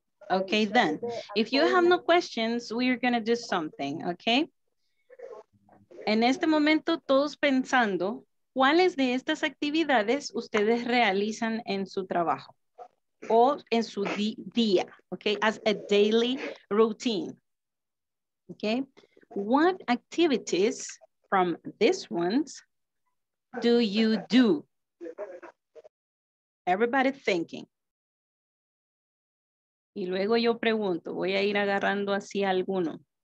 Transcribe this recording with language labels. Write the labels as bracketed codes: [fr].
[en] Okay, then, if you have no questions, we are going to do something, okay? [es] En este momento, todos pensando, ¿cuáles de estas actividades ustedes realizan en su trabajo? O en su día, okay? [en] As a daily routine, [es] okay? [en] What activities from this ones do you do? Everybody thinking. [es] Y luego yo pregunto, voy a ir agarrando así alguno.